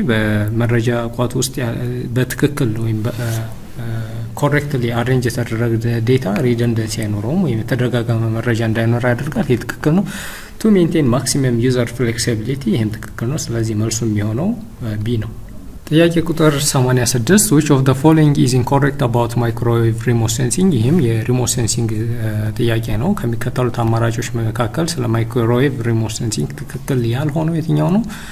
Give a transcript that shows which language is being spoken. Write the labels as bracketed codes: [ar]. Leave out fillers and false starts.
[am] በመረጃ ቋት ውስጥ በትክክል ወይም [en] correctly arrange the data redundancy [am] አይኖረውም ወይም ተደጋጋሚ መረጃ እንዳይኖር ያደርጋል። ይሄ ትክክል ነው። [en] To maintain maximum user flexibility. [am] ይሄም ትክክል ነው። ስለዚህ መልሱም የሚሆነው B ነው። ጥያቄ ቁጥር 86 [en] which of the following is incorrect about microwave remote sensing? [am] ይሄም የሪሞት ሴንሲንግ ጥያቄ ነው። ከሚከተሉት አማራጮች መካከል ስለ microwave remote sensing ትክክል ያልሆነው የትኛው ነው?